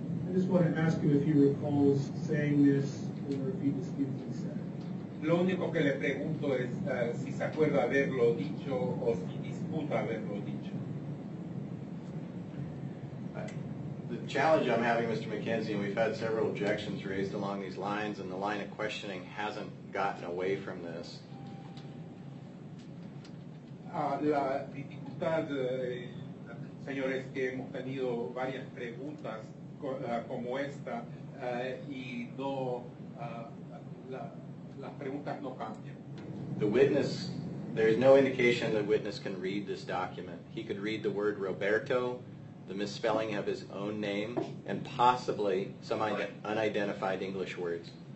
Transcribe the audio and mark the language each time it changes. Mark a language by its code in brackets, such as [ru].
[en] I just want to ask you if he recalls saying this or if he disputes this. [es] Lo único que le pregunto es si se acuerda haberlo dicho o si disputa haberlo dicho. [en] The challenge I'm having, Mr. McKenzie, and we've had several objections raised along these lines, and the line of questioning hasn't gotten away from this. [es] La dificultad, señores, que hemos tenido varias preguntas como esta, y no la... Las preguntas no cambian. [en] The witness, there's no indication the witness can read this document. He could read the word Roberto, the misspelling of his own name, and possibly some unidentified English words.